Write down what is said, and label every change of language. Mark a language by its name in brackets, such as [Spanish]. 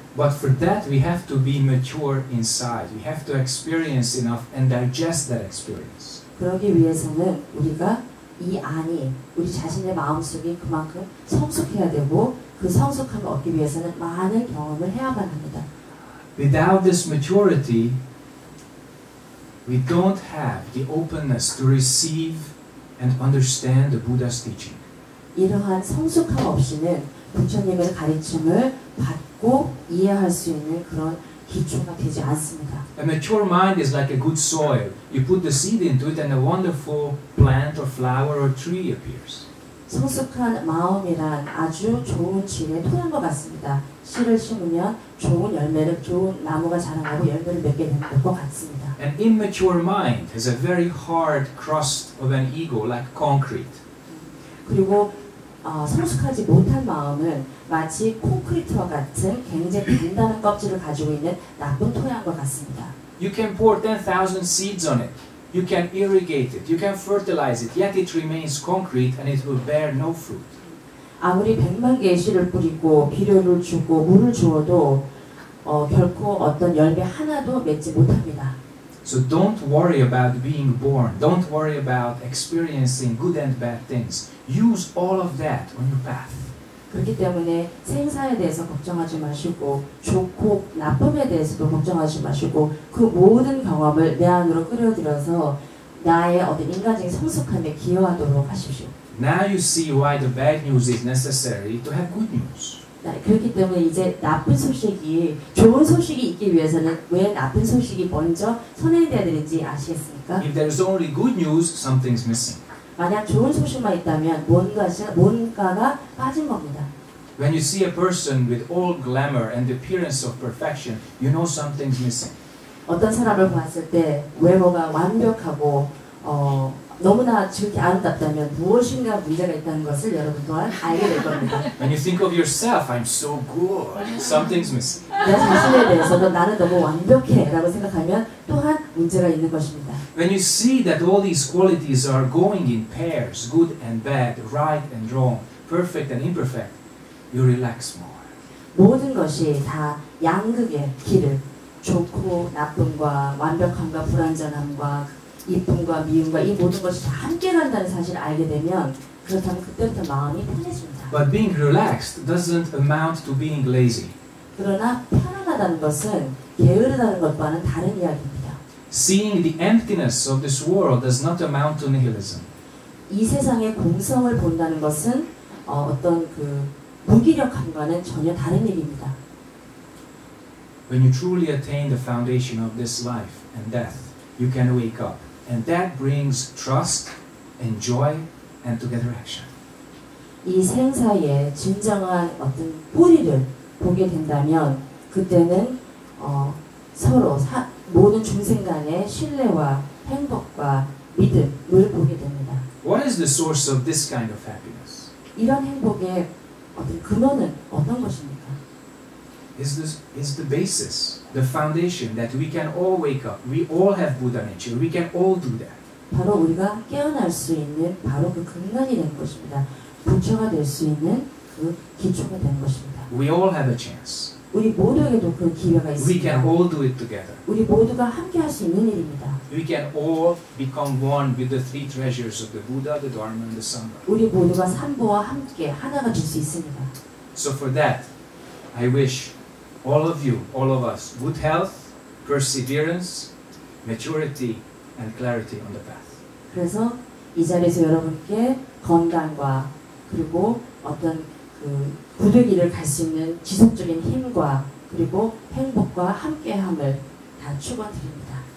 [English] But for that, we have to be mature inside. We have to experience enough and digest that experience. [Korean] 그러기 위해서는 우리가 이 안이 우리 자신의 마음속이 그만큼 성숙해야 되고 그 성숙함을 얻기 위해서는 많은 경험을 해야만 합니다. [English] Without this maturity, we don't have the openness to receive and understand the Buddha's teaching. [Korean] 이러한 성숙함 없이는 부처님의 가르침을 받고 이해할 수 있는 그런 기초가 되지 않습니다. [English] A mature mind is like a good soil. You put the seed into it and a wonderful plant or flower or tree appears. [Korean] 성숙한 마음이란 아주 좋은 질의 토양 것 같습니다. 씨를 심으면 좋은 열매를 좋은 나무가 자라나고 열매를 맺게 될 것 같습니다. [English] An immature mind has a very hard crust of an ego like concrete. [Korean] 그리고 성숙하지 못한 마음은 마치 콘크리트와 같은 굉장히 단단한 껍질을 가지고 있는 나쁜 토양과 같습니다. [English] You can pour 10,000 seeds on it. You can irrigate it. You can fertilize it. Yet it remains concrete and it will bear no fruit. [Korean] 아무리 100만 개의 씨를 뿌리고 비료를 주고 물을 주어도 결코 어떤 열매 하나도 맺지 못합니다. [English] So don't worry about being born. Don't worry about experiencing good and bad things. Use all of that on your path. [Korean] 그렇기 때문에 생사에 대해서 걱정하지 마시고 좋고 나쁨에 대해서도 걱정하지 마시고 그 모든 경험을 내 안으로 끌어들여서 나의 어떤 인간적인 성숙함에 기여하도록 하십시오. [English] Now you see why the bad news is necessary to have good news. [Korean] 그렇기 때문에 이제 나쁜 소식이 좋은 소식이 있기 위해서는 왜 나쁜 소식이 먼저 선행되어야 되는지 아시겠습니까? [English] If there is only good news, something's missing. [Korean] 만약 좋은 소식만 있다면 뭔가가 빠진 겁니다. [English] When you see a person with all glamour and the appearance of perfection, you know something's missing. [Korean] 어떤 사람을 봤을 때 외모가 완벽하고 너무나 저렇게 아름답다면 무엇인가 문제가 있다는 것을 여러분 또한 알게 될 겁니다. [English] When you think of yourself, I'm so good. Something's missing. [Korean] 내 자신에 대해서도 나는 너무 완벽해라고 생각하면 또한 문제가 있는 것입니다. [English] When you see that all these qualities are going in pairs, good and bad, right and wrong, perfect and imperfect, you relax more. [Korean] 모든 것이 다 양극의 길을 좋고 나쁨과 완벽함과 불완전함과 이쁨과 미움과 이 모든 것이 다 함께 간다는 사실을 알게 되면 그렇다면 그때부터 마음이 편해집니다. [English] But being relaxed doesn't amount to being lazy. [Korean] 그러나 편안하다는 것은 게으르다는 것과는 다른 이야기입니다. [English] Seeing the emptiness of this world does not amount to nihilism. [Korean] 이 세상의 공성을 본다는 것은 어떤 그 무기력함과는 전혀 다른 일입니다. [English] When you truly attain the foundation of this life and death, you can wake up. And that brings trust and joy and together action. [Korean] 이 생사의 진정한 어떤 뿌리를 보게 된다면 그때는 서로 모든 중생 간의 신뢰와 행복과 믿음을 보게 됩니다. [English] What is the source of this kind of happiness? [Korean] 이런 행복의 어떤 근원은 어떤 것입니까? [English] Is the basis, the foundation that we can all wake up. We all have Buddha nature. We can all do that. [Korean] 바로 우리가 깨어날 수 있는 바로 그 근간이 된 것입니다. 부처가 될 수 있는 그 기초가 된 것입니다. [English] We all have a chance. [Korean] 우리 모두에게도 그 기회가 있습니다. [English] We can all do it together. [Korean] 우리 모두가 함께 할 수 있는 일입니다. [English] We can all become one with the three treasures of the Buddha, the Dharma, and the Sangha. [Korean] 우리 모두가 삼보와 함께 하나가 될 수 있습니다. [English] So for that, I wish all of you, all of us, good health, perseverance, maturity, and clarity on the path. [Korean] 그래서 이 자리에서 여러분께 건강과 그리고 어떤 그 구득이를 갈 수 있는 지속적인 힘과 그리고 행복과 함께함을 다 축원드립니다.